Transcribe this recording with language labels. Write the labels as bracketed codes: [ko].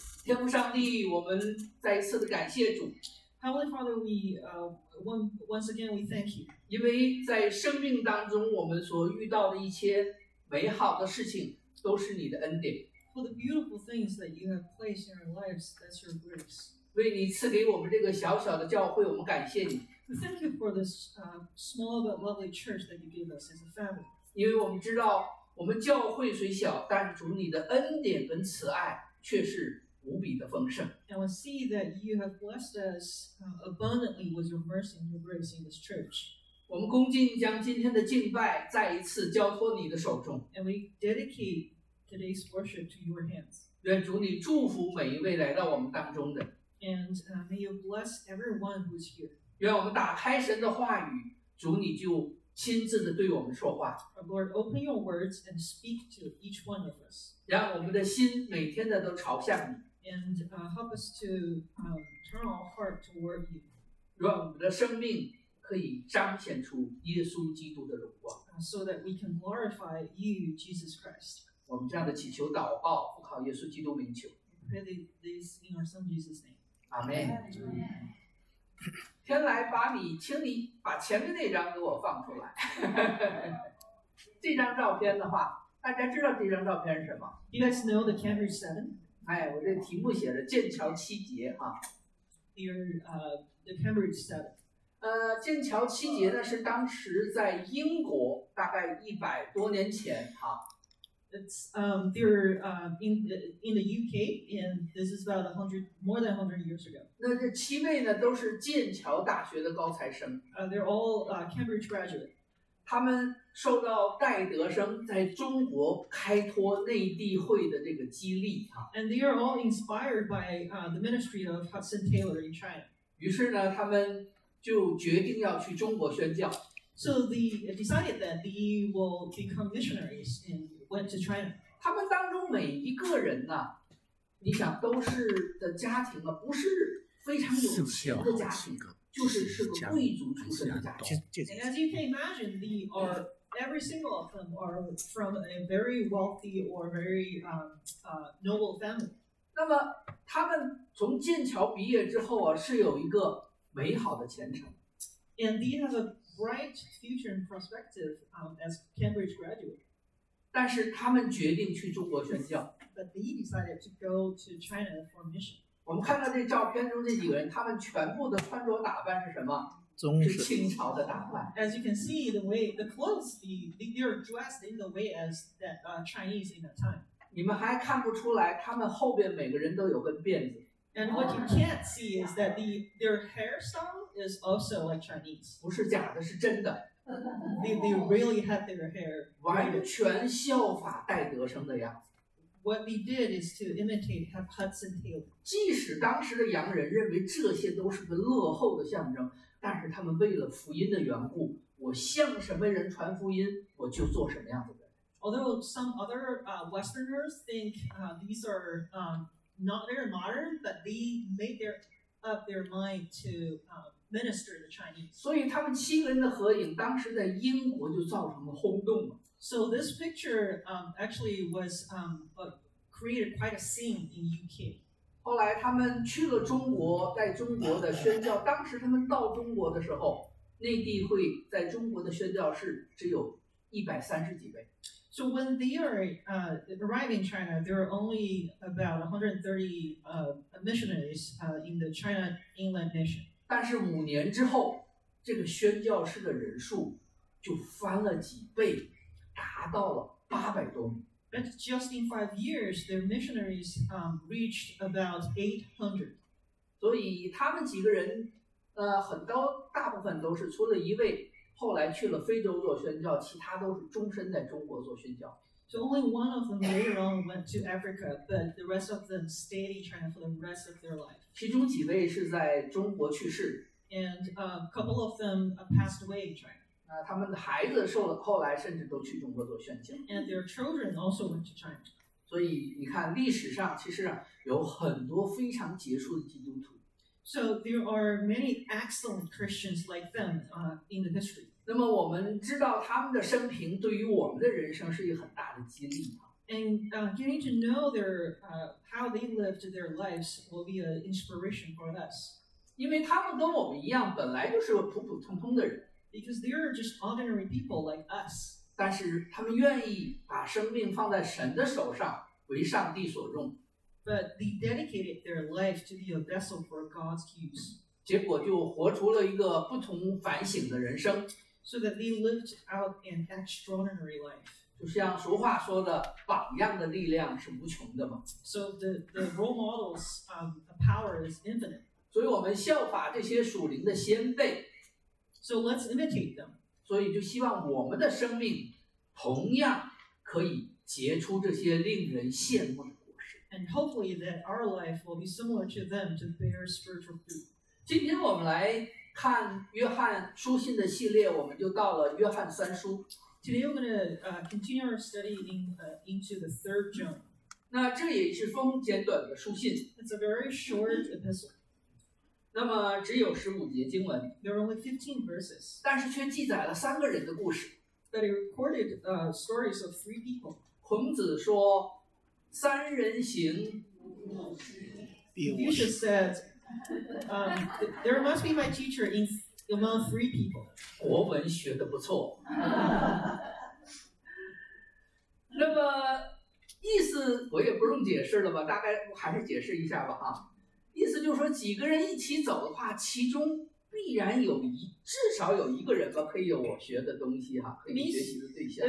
[zh] 天父上帝，我们再一次的感谢主。 [en] Heavenly Father, we once again we thank you. [zh] 因为在生命当中，我们所遇到的一切美好的事情，都是你的恩典。 [en] For the beautiful things that you have placed in our lives, that's your grace. [zh] 为你赐给我们这个小小的教会，我们感谢你。 [en] We thank you for this small but lovely church that you give us as a family. [zh] 因为我们知道。我们教会虽小，但主你的恩典跟慈爱却是无比的丰盛。 [en] And we see that you have blessed us abundantly with your mercy and your grace in this church. [zh] 我们恭敬将今天的敬拜再一次交托你的手中。 [en] And we dedicate today's worship to your hands. [zh] 愿主你祝福每一位来到我们当中的。 [en] And may you bless everyone who's here. [zh] 愿我们打开神的话语，主你就。亲自的对我们说话。 [en] Lord, open your words and speak to each one of us. [zh] 让我们的心每天的都朝向你。 [en] and help us to turn our heart toward you. [zh] 让我们的生命可以彰显出耶稣基督的荣光。 [en] So that we can glorify you, Jesus Christ. [zh] 我们这样的祈求祷告，奉靠耶稣基督名求。 [en] We pray this in our Son Jesus' name. Amen. [zh] 天来把你清理，把前面那张给我放出来。这张照片的话，大家知道这张照片是什么 [en] ？You guys know the Cambridge Seven? [zh] 哎，我这题目写着剑桥七杰啊。 [en] The Cambridge Seven. [zh] 剑桥七杰呢是当时在英国大概一百多年前哈。 [en] It's they're in the UK and this is about more than 100 years ago. [zh] 那这七位呢都是剑桥大学的高材生。 [en] They're all Cambridge graduate. [zh] 他们受到戴德生在中国开拓内地会的这个激励哈。 [en] And they are all inspired by the ministry of Hudson Taylor in China. [zh] 于是呢，他们就决定要去中国宣教。 [en] So they decided that they will become missionaries and went to China. [zh] 他们当中每一个人呢，你想都是的家庭啊，不是非常有钱的家庭，就是是个贵族出身的家庭。 [en] And as you can imagine, every single of them are from a very wealthy or very noble family. [zh] 那么他们从剑桥毕业之后啊，是有一个美好的前程。 [en] And they have a bright future and prospective as Cambridge graduate. [zh] 但是他们决定去中国宣教。 [en] But they decided to go to China for mission. [zh] 我们看到这照片中这几个人，他们全部的穿着打扮是什么？中是清朝的打扮。 [en] As you can see, the way the clothes, they are dressed in the way as that Chinese in that time. [zh] 你们还看不出来，他们后边每个人都有根辫子。 [en] And what you can't see is that their hairstyle is also like Chinese. [zh] 不是假的，是真的。 [en] They really had their hair. [zh] 完全效法戴德生的样子。 [en] What they did is to imitate Hudson Taylor. [zh] 即使当时的洋人认为这些都是个落后的象征，但是他们为了福音的缘故，我向什么人传福音，我就做什么样子的人。 [en] Although some other Westerners think these are not very modern, but they made their mind to minister the Chinese. [zh] 所以他们七个人的合影当时在英国就造成了轰动了。 [en] So this picture actually was created quite a scene in UK. [zh] 后来他们去了中国，在中国的宣教。当时他们到中国的时候，内地会在中国的宣教士只有130几位。 [en] So when they are arriving in China, there are only about 130 missionaries in the China inland mission. [zh] 但是五年之后，这个宣教士的人数就翻了几倍，达到了800多名。 [en] But just in 5 years, their missionaries reached about 800. [zh] 所以他们几个人，很多大部分都是除了一位。后来去了非洲做宣教，其他都是终身在中国做宣教。 [en] So only one of them later on went to Africa, but the rest of them stayed in China for the rest of their life. [zh] 其中几位是在中国去世。 [en] And a couple of them passed away in China. [zh] 他们的孩子受了，后来甚至都去中国做宣教。 [en] And their children also went to China. [zh] 所以你看，历史上其实有很多非常杰出的基督徒。 [en] So there are many excellent Christians like them in the history. [zh] 那么我们知道他们的生平对于我们的人生是一个很大的激励。 [en] And getting to know their how they lived their lives will be an inspiration for us. [zh] 因为他们跟我们一样，本来就是个普普通通的人。 [en] Because they are just ordinary people like us. [zh] 但是他们愿意把生命放在神的手上，为上帝所用。 [en] But they dedicated their life to be a vessel for God's use. [zh] 结果就活出了一个不同凡响的人生。 [en] So that they lived out an extraordinary life. [zh] 就像俗话说的，榜样的力量是无穷的嘛。 [en] So the role model's power is infinite. [zh] 所以我们效法这些属灵的先辈。 [en] So let's imitate them. [zh] 所以就希望我们的生命同样可以结出这些令人羡慕的。 [en] And hopefully that our life will be similar to them to bear spiritual fruit. [zh] 今天我们来看约翰书信的系列，我们就到了约翰三书。 [en] Today we're going to continue our study into the third John. [zh] 那这也是封简短的书信。 [en] It's a very short epistle. [zh] 那么只有十五节经文。 [en] There are only 15 verses. [zh] 但是却记载了三个人的故事。 [en] But it recorded stories of three people. [zh] 孔子说，三人行。 [en] Confucius said, there must be my teacher in among three people. [zh] 国文学得不错。那么意思我也不用解释了吧，大概还是解释一下吧啊。意思就是说几个人一起走的话，其中必然有一至少有一个人吧可以有我学的东西哈、啊、可以学习的对象。